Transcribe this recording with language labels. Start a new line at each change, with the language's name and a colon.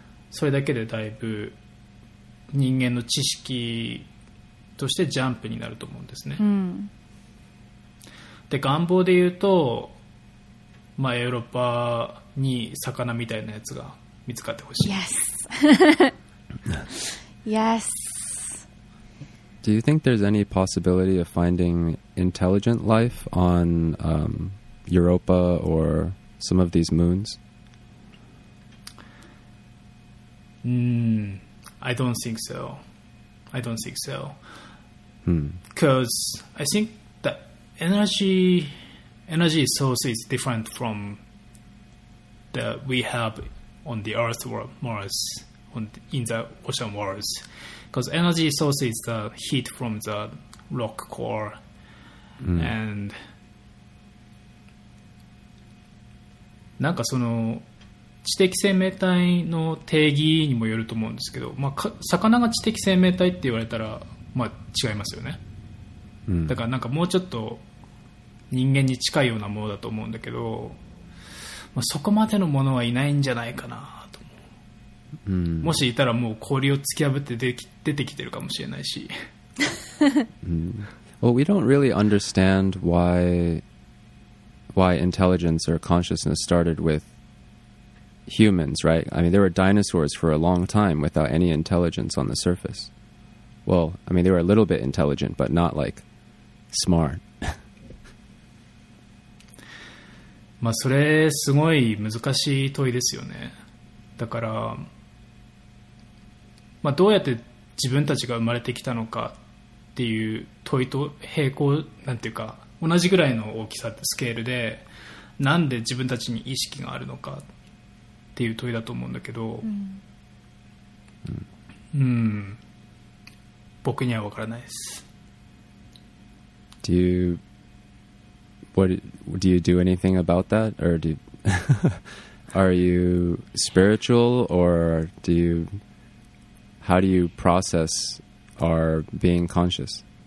Japanese: それだけでだいぶ人間の知識としてジャンプになると思うんですね、うん、で願望で言うと、まあ、ヨーロッパに魚みたいなやつが見つかってほしい。
English: Yes Yes Do you think there's any possibility of finding intelligent life on、Europa or some of these moons? I don't think so. I don't think so. Because I think the energy source is different from the we have on the Earth or Mars in the ocean worlds. Because energy source is the heat from the rock core. And
Japanese: なんかその知的生命体の定義にもよると思うんですけど、まあ、魚が知的生命体って言われたら、まあ、違いますよね、うん、だからなんかもうちょっと人間に近いようなものだと思うんだけど、まあ、そこまでのものはいないんじゃないかなと思う、うん、もしいたらもう氷を突き破って出てきてるかもしれないし
English: 、うん、Well, we don't really understand why intelligence or consciousness started with humans, right? I mean, there were dinosaurs for a long time without any intelligence on the surface. Well, I mean, they were a little bit intelligent, but not like smart.
Japanese: まあそれすごい難しい問いですよね。だから、まあどうやって自分たちが生まれてきたのかっていう問いと並行、なんていうか同じぐらいの大きさスケールで、なんで自分たちに意識があるのかっていう問いだと思うんだけど、うん、うん、僕には分からないです。
English: Do you do anything about that, or do are you spiritual, or do you how do you process our being conscious?